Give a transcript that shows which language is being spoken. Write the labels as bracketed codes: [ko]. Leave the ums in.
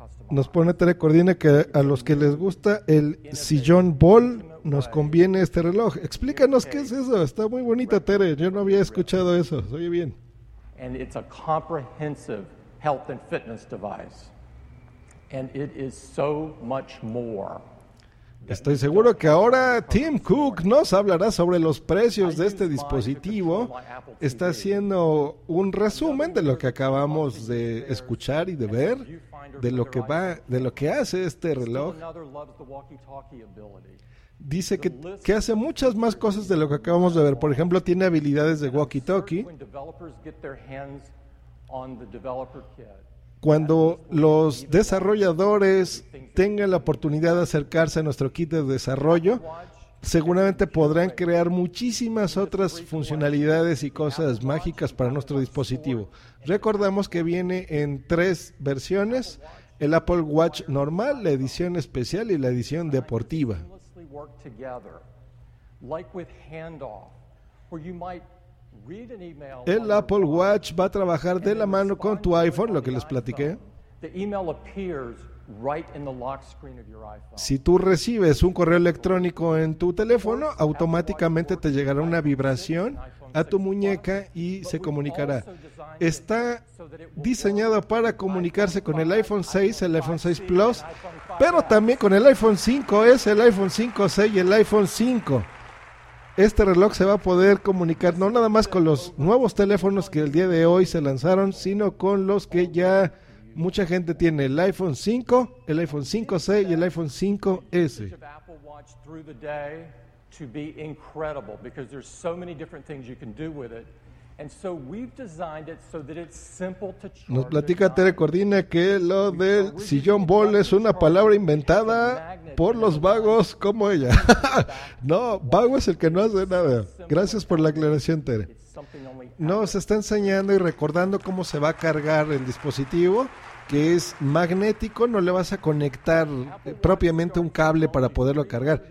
[es] Nos pone Tere Cordina que a los que les gusta el sillón ball nos conviene este reloj. Explícanos qué es eso, está muy bonita Tere, yo no había escuchado eso, oye bien. [en] and it's a comprehensive health and fitness device. And it is so much more. [es] Estoy seguro que ahora Tim Cook nos hablará sobre los precios de este dispositivo. Está haciendo un resumen de lo que acabamos de escuchar y de ver, de lo que va, de lo que hace este reloj. [en] Another loves the walkie-talkie ability. [es] Dice que, que hace muchas más cosas de lo que acabamos de ver. Por ejemplo, tiene habilidades de walkie-talkie. [en] When developers get their hands on the developer kit, [es] Cuando los desarrolladores tengan la oportunidad de acercarse a nuestro kit de desarrollo, seguramente podrán crear muchísimas otras funcionalidades y cosas mágicas para nuestro dispositivo. Recordamos que viene en tres versiones, el Apple Watch normal, la edición especial y la edición deportiva. [en] seamlessly work together, like with handoff, where you might read an email. [es] El Apple Watch va a trabajar de la mano con tu iPhone, lo que les platiqué. [en] The email appears right in the lock screen of your iPhone. [es] Si tú recibes un correo electrónico en tu teléfono, automáticamente te llegará una vibración a tu muñeca y se comunicará. Está diseñado para comunicarse con el iPhone 6, el iPhone 6 Plus, pero también con el iPhone 5S, el iPhone 5C y el iPhone 5. Este reloj se va a poder comunicar no nada más con los nuevos teléfonos que el día de hoy se lanzaron, sino con los que ya mucha gente tiene, el iPhone 5, el iPhone 5C y el iPhone 5S. [en] Apple Watch through the day to be incredible because there's so many different things you can do with it. And so we've designed it so that it's simple to charge. [es] Nos platica Tere Cordina que lo del sillón bol es una palabra inventada por los vagos como ella. no, vago es el que no hace nada. Gracias por la aclaración, Tere. Nos está enseñando y recordando cómo se va a cargar el dispositivo, que es magnético, no le vas a conectar eh, propiamente un cable para poderlo cargar.